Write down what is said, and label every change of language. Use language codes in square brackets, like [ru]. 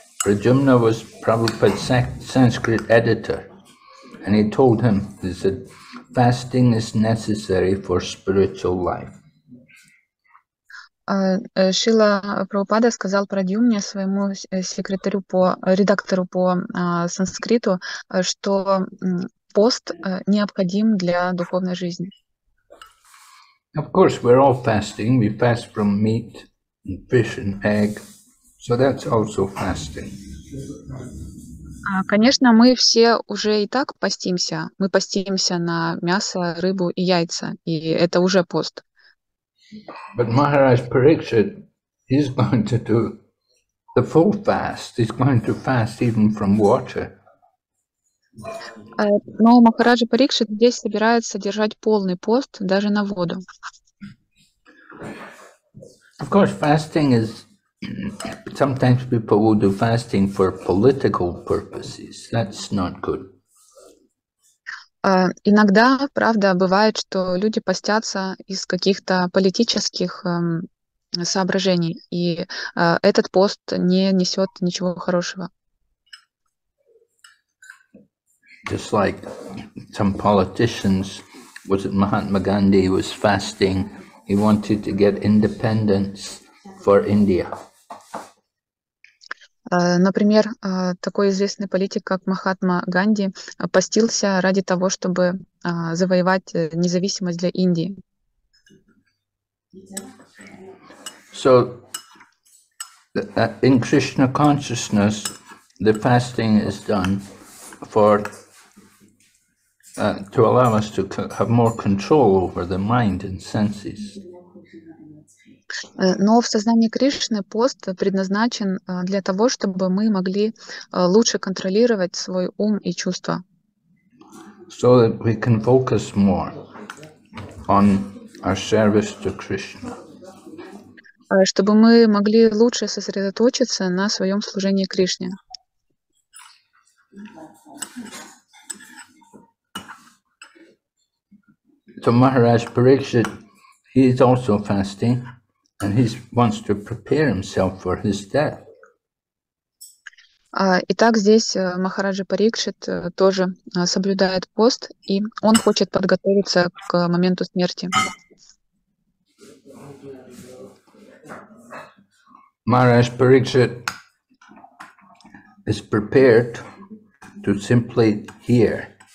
[en] Prajumna was Prabhupada's Sanskrit editor, and he told him, he said, fasting is necessary for spiritual life. [ru] Шрила Прабхупада сказал Прадьюмне, своему секретарю по редактору по санскриту, что пост необходим для духовной жизни. [en] Of course, we're all fasting. We fast from meat and fish and egg. So that's also fasting. [ru] Конечно, мы все уже и так постимся. Мы постимся на мясо, рыбу и яйца, и это уже пост. [en] But Maharaj Parikshit is going to do the full fast. He's going to fast even from water. [ru] Но Махараджа Парикшит здесь собирается держать полный пост даже на воду. [en] Of course, fasting is sometimes people will do fasting for political purposes. That's not good. [ru] Иногда, правда, бывает, что люди постятся из каких-то политических соображений, и этот пост не несет ничего хорошего. [en] Just like some politicians, was it Mahatma Gandhi was fasting? He wanted to get independence for India. [ru] Например, такой известный политик, как Махатма Ганди, постился ради того, чтобы завоевать независимость для Индии. [en] So, in Krishna consciousness, the fasting is done for to allow us to have more control over the mind and senses. [ru] Но в сознании Кришны пост предназначен для того, чтобы мы могли лучше контролировать свой ум и чувства. [en] So that we can focus more on our service to Krishna. [ru] Чтобы мы могли лучше сосредоточиться на своем служении Кришне. [en] So Maharaj Parikshit, he is also fasting. And he wants to prepare himself for his death. [ru] Итак, здесь Махараджа Парикшит тоже соблюдает пост, и он хочет подготовиться к моменту смерти. [en] Maharaj Parikshit is prepared to simply hear.